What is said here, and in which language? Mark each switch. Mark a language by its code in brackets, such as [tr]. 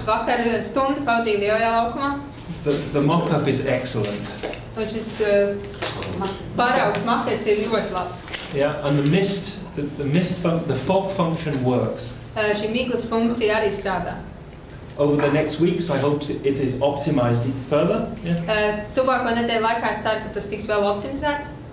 [lv] Vakar stundu pavadīju lielajā laukumā. [en] The mock-up is excellent. [lv] Šis paraugs maketes ir ļoti labs. [en] Yeah, and the fog function works. [lv] Šī miglas funkcija arī strādā. [en] Over the next weeks, I hope it is optimized further. [lv] Tuvāko nedēļu laikā es ceru, ka tas tiks vēl optimizēts.